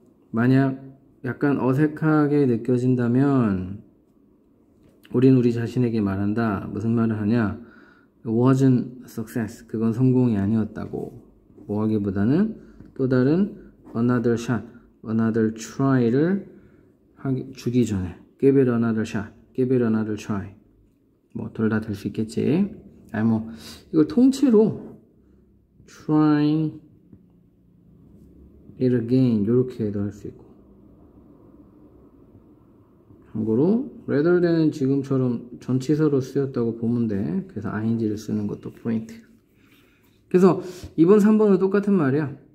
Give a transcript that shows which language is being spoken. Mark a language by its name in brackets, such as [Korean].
[Korean] 만약 약간 어색하게 느껴진다면 우린 우리 자신에게 말한다. 무슨 말을 하냐? [English] It wasn't a success. [Korean] 그건 성공이 아니었다고. 뭐 하기보다는 또 다른 [English] another shot. Another try [Korean] 를 주기 전에 [English] Give it another shot, give it another try [Korean] 뭐둘다될수 있겠지. 아니 뭐 이걸 통째로 [English] Trying it again [Korean] 이렇게도 할수 있고 참고로 rather than 지금처럼 전치사로 쓰였다고 보면 돼. 그래서 ing를 쓰는 것도 포인트. 그래서 2번, 3번은 똑같은 말이야.